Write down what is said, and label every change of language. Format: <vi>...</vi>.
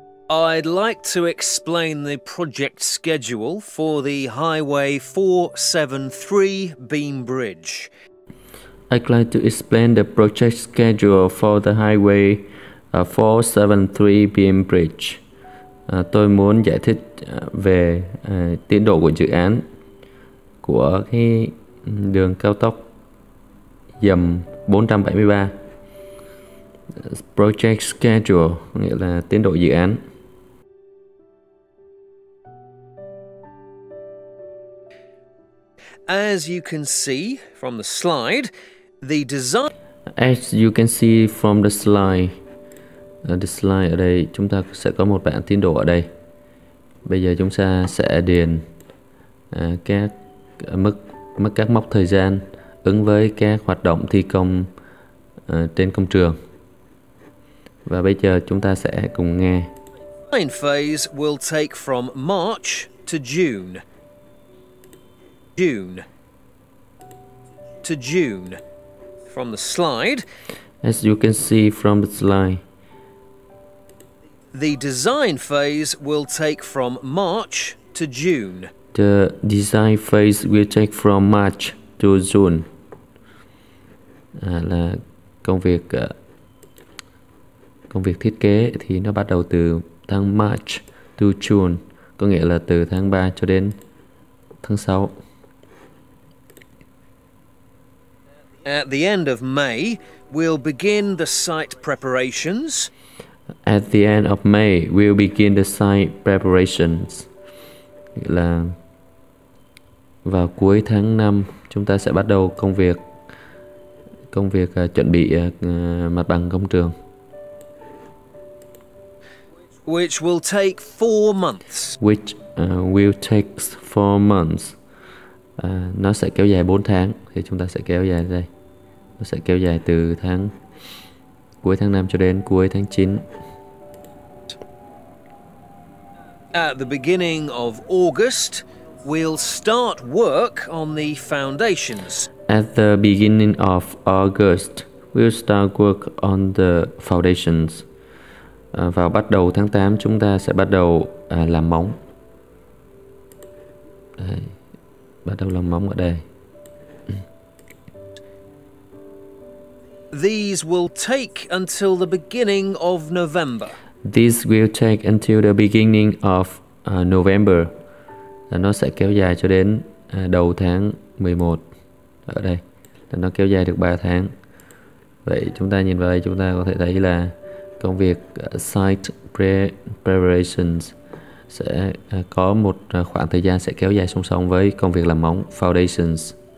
<en>I'd like to explain the project schedule for the Highway 473 beam bridge. I'd like to explain the project schedule for the Highway 473 beam bridge.</en> <vi>Tôi muốn giải thích về tiến độ của dự án của cái đường cao tốc dầm 473. Project schedule nghĩa là tiến độ dự án.</vi> <en>As you can see from the slide, the design. As you can see from the slide,</en> <vi>ở đây chúng ta sẽ có một bảng tiến độ ở đây. Bây giờ chúng ta sẽ điền các mức các mốc thời gian ứng với các hoạt động thi công trên công trường. Và bây giờ chúng ta sẽ cùng nghe.</vi> <en>Design phase will take from March to June. June to June from the slide. As you can see from the slide, the design phase will take from March to June. The design phase will take from March to June.</en> <vi>Là công việc thiết kế thì nó bắt đầu từ tháng</vi> <en>March to June,</en> <vi>có nghĩa là từ tháng 3 cho đến tháng 6.</vi> <en>At the end of May, we'll begin the site preparations. At the end of May, we'll begin the site preparations.</en> <vi>Nghĩa là vào cuối tháng 5, chúng ta sẽ bắt đầu công việc chuẩn bị mặt bằng công trường.</vi> <en>Which will take 4 months. Which will take 4 months.</en> <vi>Nó sẽ kéo dài 4 tháng, thì chúng ta sẽ kéo dài đây. Nó sẽ kéo dài từ tháng cuối tháng 5 cho đến cuối tháng 9.</vi> <en>At the beginning of August, we'll start work on the foundations. At the beginning of August, we'll start work on the foundations.</en> <vi>Vào bắt đầu tháng 8, chúng ta sẽ bắt đầu làm móng. Đây, bắt đầu làm móng ở đây.</vi> <en>These will take until the beginning of November. These will take until the beginning of November.</en> <vi>Nó sẽ kéo dài cho đến đầu tháng 11. Ở đây, nó kéo dài được 3 tháng. Vậy chúng ta nhìn vào đây, chúng ta có thể thấy là công việc site preparations sẽ có một khoảng thời gian sẽ kéo dài song song với công việc làm móng, foundations.</vi>